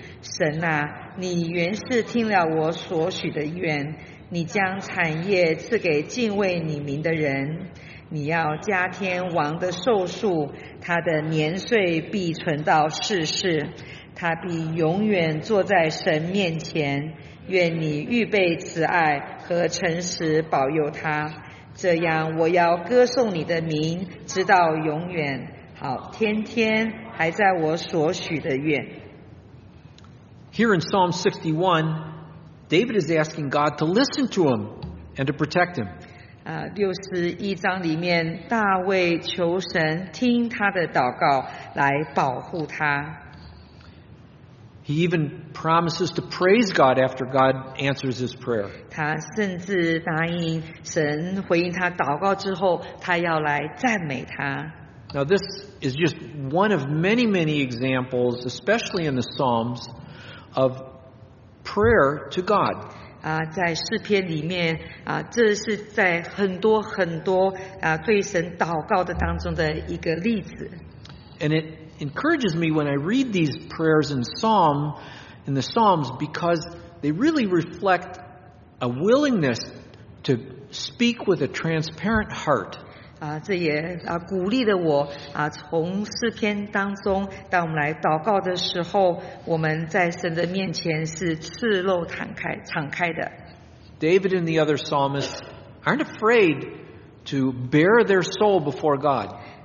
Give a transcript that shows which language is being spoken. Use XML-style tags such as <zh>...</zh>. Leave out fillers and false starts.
<zh>神啊，你原是听了我所许的愿，你将产业赐给敬畏你名的人，你要加添王的寿数，他的年岁必存到世世，他必永远坐在神面前。愿你预备慈爱和诚实保佑他，这样我要歌颂你的名直到永远。好，天天还在我所许的愿。</zh> <en>Here in Psalm 61, David is asking God to listen to him and to protect him.</en> <zh>61章里面大卫求神听他的祷告来保护他。</zh> <en>He even promises to praise God after God answers his prayer.</en> <zh>他甚至答应神回应他祷告之后他要来赞美他。</zh> <en>Now this is just one of many, many examples, especially in the Psalms, of prayer to God.</en> <zh>在诗篇里面这是在很多很多对神祷告的当中的一个例子。</zh> <en>And it encourages me when I read these prayers in Psalm, in the Psalms, because they really reflect a willingness to speak with a transparent heart.</en> <zh>这也鼓励了我从诗篇当中当我们来祷告的时候我们在神的面前是赤裸敞开的。</zh> <en>David and the other psalmists aren't afraid to bear their soul before God.</en>